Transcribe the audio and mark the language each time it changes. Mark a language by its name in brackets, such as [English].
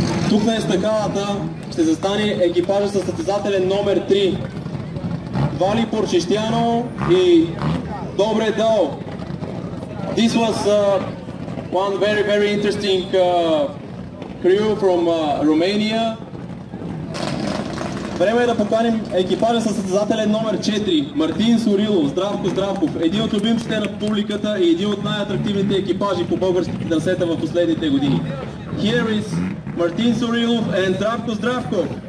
[Bulgarian] Тук на естакадата ще застане екипажа със състезателен номер 3. Вали Порчещяно и Добре Дъл. [English] This was one very, very interesting crew from Romania. [Bulgarian] Време е да поканим екипажа със състезателен номер 4. Мартин Сурилов, Здравко Здравков. Един от любимците на публиката и един от най-атрактивните екипажи по българските трасета в последните години. [English] Here is Мартин Сурилов and Здравко Здравков.